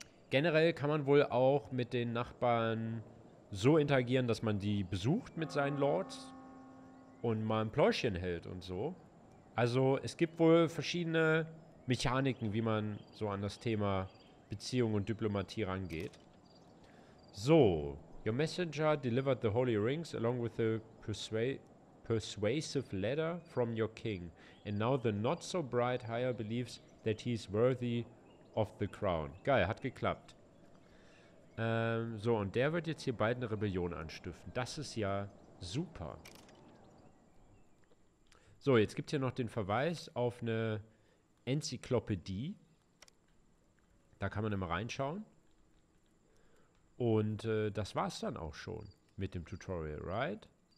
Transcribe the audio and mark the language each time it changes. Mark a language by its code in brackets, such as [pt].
[de] Generell kann man wohl auch mit den Nachbarn so interagieren, dass man die besucht mit seinen Lords und mal ein Pläuschchen hält und so. Also es gibt wohl verschiedene Mechaniken, wie man so an das Thema Beziehung und Diplomatie rangeht. [en] So, your messenger delivered the holy rings along with the persuasive letter from your king. And now the not so bright higher believes that he is worthy of the crown. [de] Geil, hat geklappt. So, und der wird jetzt hier bald eine Rebellion anstiften. Das ist ja super. So, jetzt gibt es hier noch den Verweis auf eine Enzyklopädie. Da kann man immer reinschauen. Und das war's dann auch schon mit dem Tutorial, right?